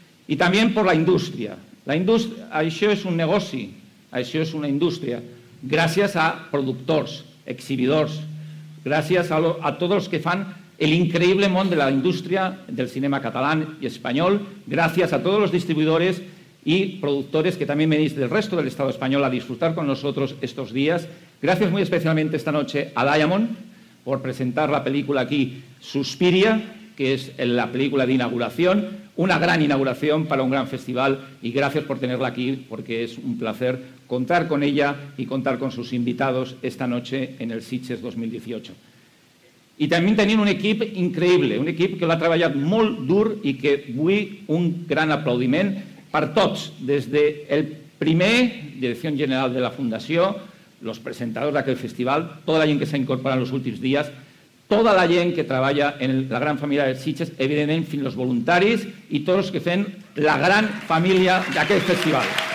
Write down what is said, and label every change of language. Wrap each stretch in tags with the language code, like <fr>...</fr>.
<ca>i també per la indústria. La indústria, això és un negoci, això és una indústria, gràcies a productors, exhibidors, gràcies a tots els que fan l'increïble món de la indústria del cinema català i espanyol, gràcies a tots els distribuïdors i productors que també venís del resto de l'estat espanyol a</ca> <es>disfrutar con nosotros estos días. Gràcies muy especialmente esta noche a Diamond por presentar la película aquí, Suspiria, que es la película de inauguración, una gran inauguración para un gran festival, y gracias por tenerla aquí, porque es un placer contar con ella y contar con sus invitados esta noche en el Sitges 2018.</es> <ca>I també tenim un equip increïble, un equip que l'ha treballat molt dur i que vull un gran aplaudiment per tots, des del primer, Direcció General de la Fundació, els presentadors d'aquest festival, tota la gent que s'ha incorporat en els últims dies, tota la gent que treballa en la gran família dels Sitges, evidentment fins als voluntaris i tots els que fan la gran família d'aquest festival.</ca>